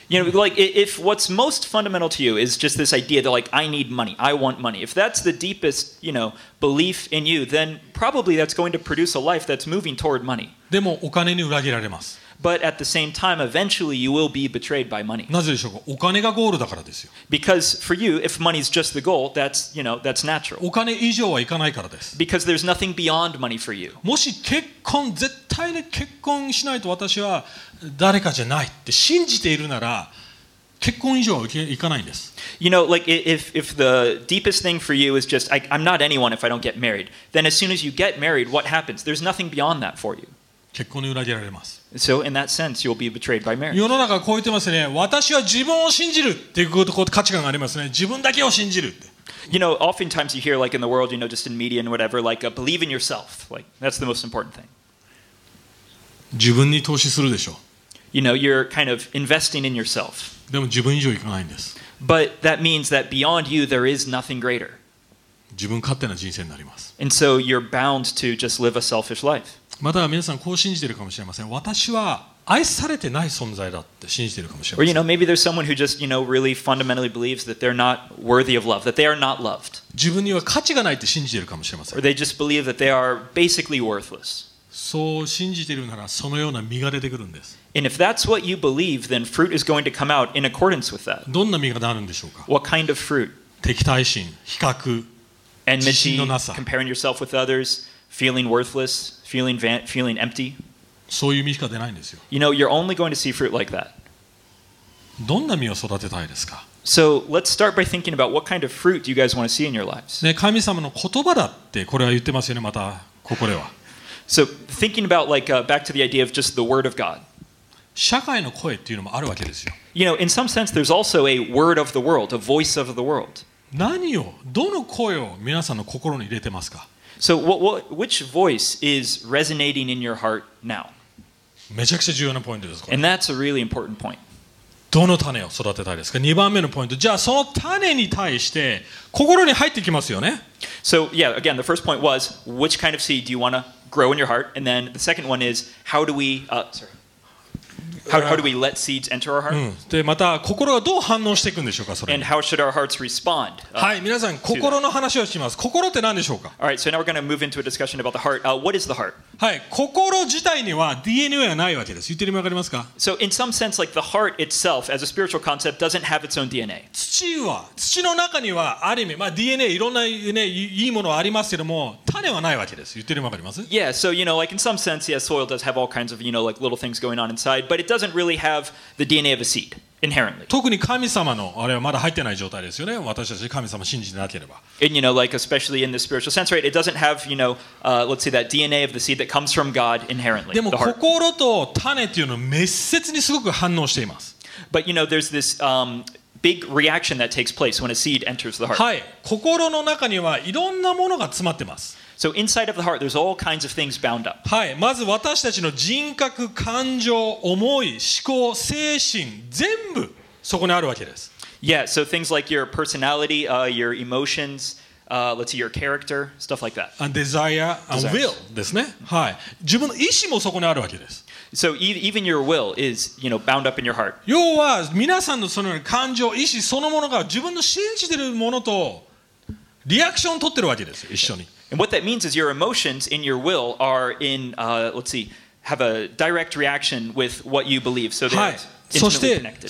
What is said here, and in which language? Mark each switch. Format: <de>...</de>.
<en>You know, like, if what's most fundamental to you is just this idea that, like, I need money, I want money. If that's the deepest, you know, belief in you, then probably that's going to produce a life that's moving toward money.</en> <ja>でもお金に裏切られます。</ja> <en>But at the same time, eventually you will be betrayed by money.</en> <ja>なぜでしょうか？お金がゴールだからですよ。</ja> <en>Because for you, if money is just the goal, that's, you know, that's natural.</en> <ja>お金以上はいかないからです。</ja> <en>Because there's nothing beyond money for you.</en> <ja>もし結婚、絶対に結婚しないと私は誰かじゃないって信じているなら、結婚以上はいかないんです。</ja> <en>You know, like if the deepest thing for you is just, I'm not anyone if I don't get married, then as soon as you get married, what happens? There's nothing beyond that for you.</en> <ja>結婚に裏切られます。</ja> <en>So in that sense, you'll be betrayed by marriage.</en> <ja>世の中はこう言ってますね。私は自分を信じるっていう価値観がありますね。自分だけを信じるって。</ja> <en>You know, oftentimes you hear like in the world, you know, just in media and whatever, like a believe in yourself. Like that's the most important thing.</en> <ja>自分に投資するでしょう。</ja> <en>You know, you're kind of investing in yourself.</en> <ja>でも自分以上いかないんです。</ja> <en>But that means that beyond you, there is nothing greater.</en> <ja>自分勝手な人生になります。</ja> <en>And so you're bound to just live a selfish life.</en> <ja>または皆さんこう信じているかもしれません。私は愛されてない存在だって信じているかもしれません。</ja> <en>Or, you know, maybe there's someone who just, you know, really fundamentally believes that they're not worthy of love, that they are not loved.</en> <ja>自分には価値がないって信じているかもしれません。</ja> <en>Or they just believe that they are basically worthless.</en> <ja>そう信じているならそのような実が出てくるんです。</ja> <en>And if that's what you believe, then fruit is going to come out in accordance with that.</en> <ja>どんな実がなるんでしょうか</ja> <en>?What kind of fruit?</en> <ja>敵対心、比較、自信のなさ。</ja> <en>Comparing yourself with others,Feeling worthless, feeling empty.</en> <ja>そういう実しか出ないんですよ。</ja> <en>You know, you're only going to see fruit like that.</en> <ja>どんな実を育てたいですか?</ja> <en>So let's start by thinking about what kind of fruit do you guys want to see in your lives.</en> <ja>ね、神様の言葉だってこれは言ってますよね、またここでは。</ja> <en>So thinking about like, back to the idea of just the word of God.</en> <ja>社会の声っていうのもあるわけですよ。</ja> <en>You know, in some sense, there's also a word of the world, a voice of the world.</en> <ja>何を、どの声を皆さんの心に入れてますか?</ja> <en>So, which voice is resonating in your heart now?</en> <ja>めちゃくちゃ重要なポイントです。</ja> <en>And that's a really important point.</en> <ja>どの種を育てたいですか?2番目のポイント。じゃあその種に対して心に入ってきますよね?</ja> <en>So, yeah, again, the first point was, which kind of seed do you want to grow in your heart? And then the second one is, how do we let seeds enter our heart?</en> <ja>で、また心がどう反応していくんでしょうか、それ。</ja> <en>And how should our hearts respond?</en> <ja>はい、皆さん、心の話をします。心って何でしょうか?</ja> <en>All right, so now we're going to move into a discussion about the heart. What is the heart?</en> <ja>はい、心自体には DNA はないわけです。言ってる意味わかりますか?</ja> <en>So in some sense, like the heart itself, as a spiritual concept, doesn't have its own DNA.</en> <ja>土の中にはある意味、まあ DNA、いろんなね、いいものはありますけども、種はないわけです。言ってる意味わかります?</ja> <en>Yeah, so you know, like in some sense, yeah, soil does have all kinds of, you know, like little things going on inside, but it doesn't really have the DNA of a seed inherently.</en> <ja>特に神様のあれはまだ入ってない状態ですよね。私たち神様信じなければ。</ja> <en>And you know, like especially in the spiritual sense, right? It doesn't have, you know, let's say that DNA of the seed that comes from God inherently.</en> <ja>でも心と種っていうのは密接にすごく反応しています。</ja> <en>But you know, there's this big reaction that takes place when a seed enters the heart.</en> <ja>はい、心の中にはいろんなものが詰まってます。</ja> <en>So inside of the heart, there's all kinds of things bound up.</en> <ja>はい、まず私たちの人格、感情、思い、思考、精神、全部そこにあるわけです。</ja> <en>Yeah, so things like your personality, your emotions, let's see, your character, stuff like that. And desire and will</en> <ja>ですね。はい。自分の意思もそこにあるわけです。</ja> <en>So even your will is, you know, bound up in your heart.</en> <ja>要は皆さんのその感情、意思そのものが自分の信じてるものとリアクションを取ってるわけです、一緒に。</ja> <en>And what that means is your emotions in your will are in, let's see, have a direct reaction with what you believe. So they're intimately connected.</en>